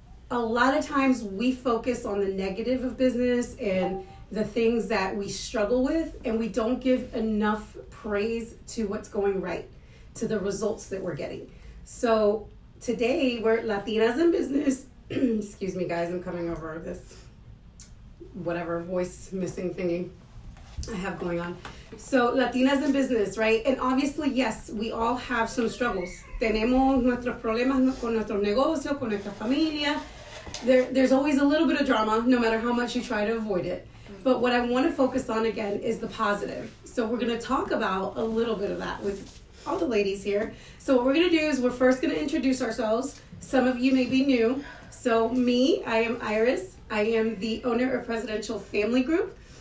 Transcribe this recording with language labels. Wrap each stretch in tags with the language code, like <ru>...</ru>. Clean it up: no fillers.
<en>A lot of times we focus on the negative of business and the things that we struggle with, and we don't give enough praise to what's going right, to the results that we're getting. So today we're Latinas in business. Excuse me, guys, I'm coming over this whatever voice missing thingy I have going on. So Latinas in business, right? And obviously, yes, we all have some struggles.</en> <es>Tenemos nuestros problemas con nuestro negocio, con nuestra familia.</es> <en>There's always a little bit of drama, no matter how much you try to avoid it. But what I want to focus on again is the positive. So we're going to talk about a little bit of that with all the ladies here. So what we're going to do is we're first going to introduce ourselves. Some of you may be new. So me, I am Iris. I am the owner of Presidential Family Group.</en>